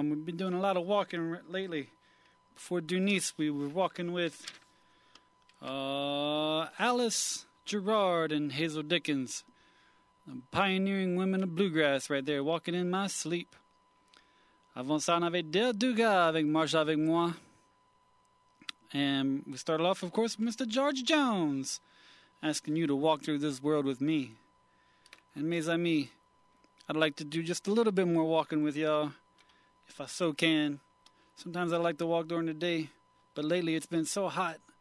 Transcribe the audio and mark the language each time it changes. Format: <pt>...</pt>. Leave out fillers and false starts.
<en>We've been doing a lot of walking lately. Before Dooney's, we were walking with Alice Gerard and Hazel Dickens. Pioneering women of bluegrass right there, walking in my sleep.</en> <fr>Avant ça, on avait Del Duga avec Marche avec moi.</fr> <en>And we started off, of course, with Mr. George Jones, asking you to walk through this world with me. And</en> <fr>mes amis,</fr> <en>I'd like to do just a little bit more walking with y'all, if I so can. Sometimes I like to walk during the day, but lately it's been so hot.</en>